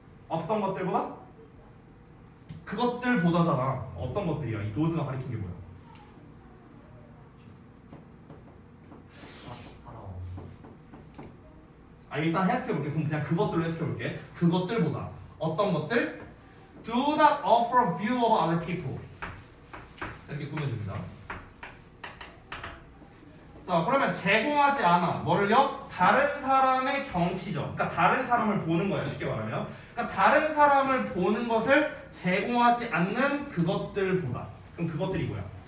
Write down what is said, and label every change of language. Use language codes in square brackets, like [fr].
[ko] 어떤 것들보다? 그것들보다잖아. 어떤 것들이야? 이 도스가 가리킨 게 뭐야? 아, 일단 해석해 볼게. 그럼 그냥 그것들로 해석해 볼게. 그것들보다 어떤 것들? [en] Do not offer a view of other people. [ko] 이렇게 꾸며줍니다. 자, 그러면 제공하지 않아. 뭐를요? 다른 사람의 경치죠. 그러니까 다른 사람을 보는 거야, 쉽게 말하면. 그러니까 다른 사람을 보는 것을 제공하지 않는 그것들보다. 그럼 그것들이 뭐야?